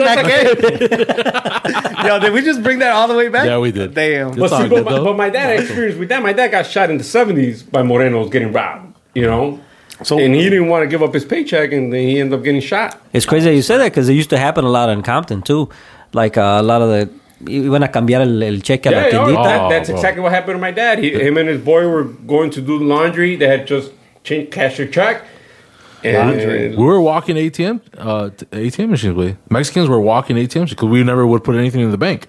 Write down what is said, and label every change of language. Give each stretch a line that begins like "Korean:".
Spanish: ¿A qué?
English: Yo, did we just bring that all the way back? Yeah, we did. Damn. But, see, but my dad experienced with that. My dad got shot in the 70s by morenos getting robbed, you know? So, and he didn't want to give up his paycheck, and then he ended up getting shot. It's crazy that you said that, because it used to happen a lot in Compton, too. Like, a lot of the...
Spanish: Iban a cambiar el cheque a la tiendita.
English: Yeah, that's exactly what happened to my dad. Him and his boy were going to do the laundry. They had just changed, cashed their check. We were walking ATM machines. Mexicans were walking ATMs because we never would put anything in the bank.